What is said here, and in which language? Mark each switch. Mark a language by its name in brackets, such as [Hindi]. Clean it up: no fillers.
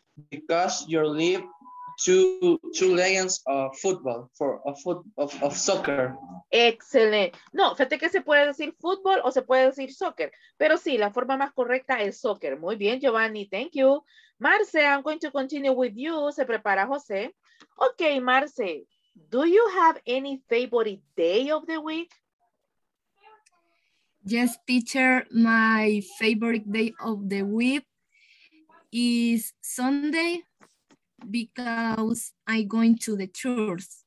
[English] Because you live two legends of football, of soccer. Excellent. [Spanish] No, fíjate que se puede decir fútbol o se puede decir soccer. Pero sí, la forma más correcta es soccer. Muy bien, [English] Giovanni, thank you. Marce, I'm going to continue with you. [Spanish] Se prepara José. [English] Okay, Marce, do you have any favorite day of the week? Yes, teacher, my favorite day of the week is Sunday because I'm going to the church.